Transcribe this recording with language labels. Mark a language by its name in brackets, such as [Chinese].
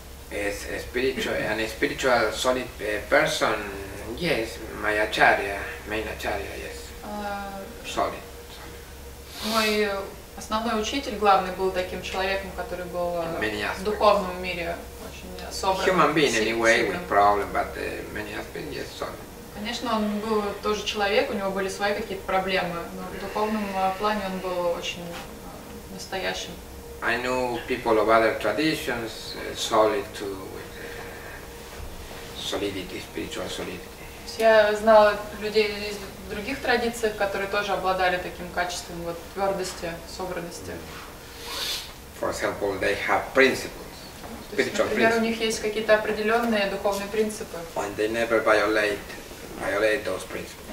[English] As a spiritual, solid person, yes, my acharya, main acharya, yes. Solid. [Russian] Мой основной учитель, главный, был таким человеком, который был в духовном мире очень собран. [English] Human being, anyway, with problem, but many aspects, yes, solid. [Russian] Конечно, он был тоже человек, у него были свои какие-то проблемы, но в духовном плане он был очень настоящим. [English] I knew people of other traditions, solid too, with solidity, spiritual solidity. [Russian] Я знала людей из других традиций, которые тоже обладали таким качеством вот твердости, собранности. [English] For example, they have principles. Spiritual principles. [Russian] Например, у них есть какие-то определенные духовные принципы. [English] And they never violate those principles.